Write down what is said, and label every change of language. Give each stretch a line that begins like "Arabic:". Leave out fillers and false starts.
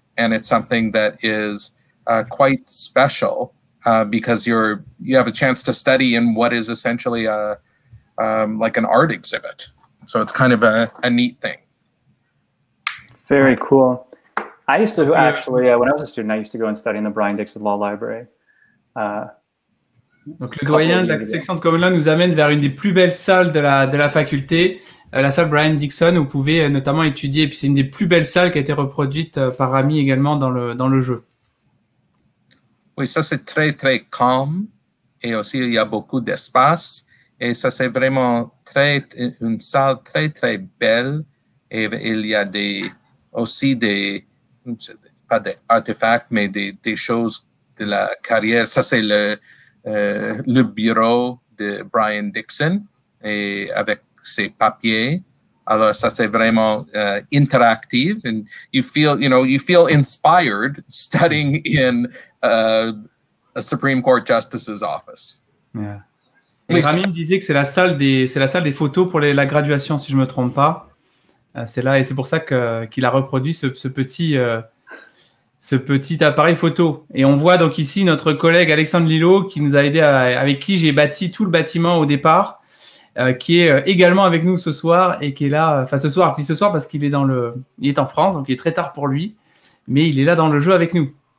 English: And it's something that is quite special because you have a chance to study in what is essentially like an art exhibit. So it's kind of a neat thing. Very cool. I used to actually, when I was a student, I used to go and study in the Brian Dixon Law Library.
French: Donc le doyen de la section de Common Law nous amène vers une des plus belles salles de la faculté, la salle Brian Dixon, où vous pouvez notamment étudier. Et puis c'est une des plus belles salles qui a été reproduite par Rami également dans le jeu. Oui, ça c'est très, très calme. Et aussi, il y a beaucoup d'espace. Et ça, c'est vraiment une salle très, très belle. Et il y a aussi des artefacts, mais des choses de la carrière. Ça, c'est le bureau de Brian Dixon et avec ses papiers. Alors, ça, c'est vraiment interactif.
English: And you feel, you feel inspired studying in a Supreme Court Justice's office. Yeah.
French: Et Rami me disait que c'est la salle des photos pour la graduation, si je ne me trompe pas. C'est là, et c'est pour ça qu'il a reproduit ce petit appareil photo. Et on voit donc ici notre collègue Alexandre Lillot, qui nous a aidé avec qui j'ai bâti tout le bâtiment au départ, qui est également avec nous ce soir et qui est là, enfin ce soir, je dis ce soir parce qu'il est en France, donc il est très tard pour lui, mais il est là dans le jeu avec nous.